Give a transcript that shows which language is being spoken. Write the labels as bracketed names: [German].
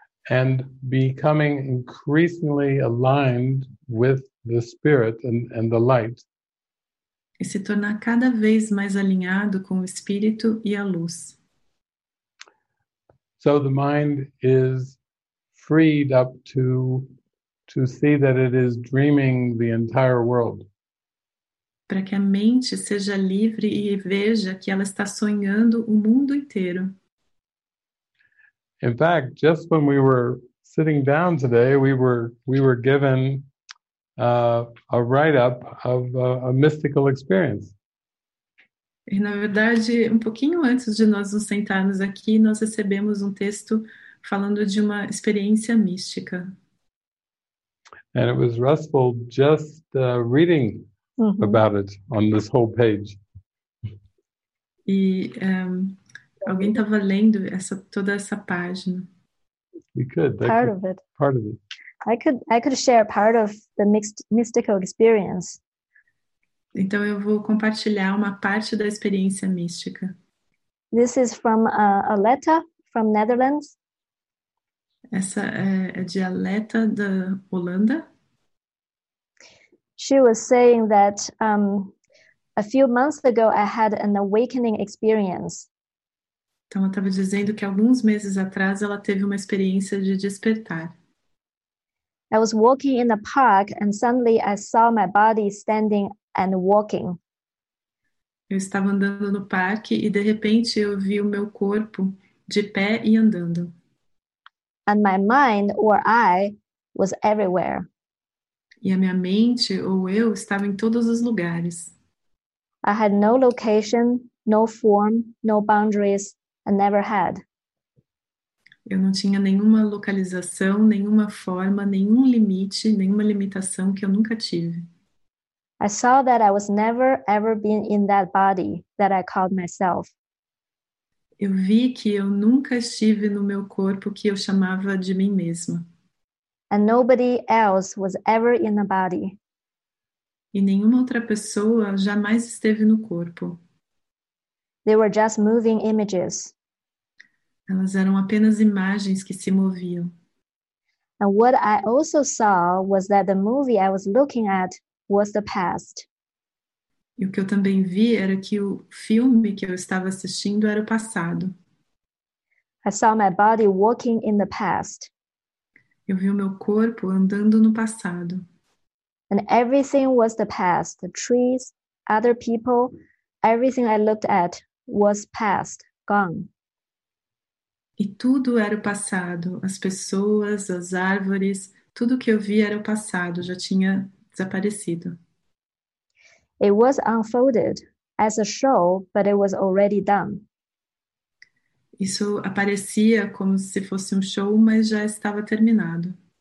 [English] And becoming increasingly aligned with the spirit and the light. [Portuguese] E se tornar cada vez mais alinhado com o espírito e a luz. [English] So the mind is freed up to see that it is dreaming the entire world. [Portuguese] Para que a mente seja livre e veja que ela está sonhando o mundo inteiro. [English] In fact, just when we were sitting down today, we were given a write-up of a mystical experience. [Portuguese] E na verdade, pouquinho antes de nós nos sentarmos aqui, nós recebemos texto falando de uma experiência mística. [English] And it was restful just reading mm-hmm. about it on this whole page. [Portuguese] E alguém estava lendo essa toda essa página. [English] We could. Part of it. I could share part of the mystical experience. [Portuguese] Então eu vou compartilhar uma parte da experiência mística. [English] This is from a letter from Netherlands. [Portuguese] Essa é de Aleta da Holanda. [English] She was saying that a few months ago I had an awakening experience. [Portuguese] Então ela estava dizendo que alguns meses atrás ela teve uma experiência de despertar. [English] I was walking in the park and suddenly I saw my body standing and walking. [Portuguese] Eu estava andando no parque e de repente eu vi o meu corpo de pé e andando. [English] And my mind or I was everywhere. [Portuguese] E a minha mente ou eu estava em todos os lugares. [English] I had no location, no form, no boundaries, and never had. [Portuguese] Eu não tinha nenhuma localização, nenhuma forma, nenhum limite, nenhuma limitação que eu nunca tive. [English] I saw that I was never ever been in that body that I called myself. [Portuguese] Eu vi que eu nunca estive no meu corpo que eu chamava de mim mesma. [English] and nobody else was ever in the body. [Portuguese] E nenhuma outra pessoa jamais esteve no corpo. [English] They were just moving images. [Portuguese] Elas eram apenas imagens que se moviam. [English] And what I also saw was that the movie I was looking at was the past. [Portuguese] E o que eu também vi era que o filme que eu estava assistindo era o passado. [English] I saw my body walking in the past. [Portuguese] Eu vi o meu corpo andando no passado. [English] And everything was the past. The trees, other people, everything I looked at was past, gone. [Portuguese] E tudo era o passado. As pessoas, as árvores, tudo que eu vi era o passado, já tinha desaparecido. [English] It was unfolded as a show, but it was already done. [Portuguese] Isso aparecia como se fosse um show, mas já estava terminado.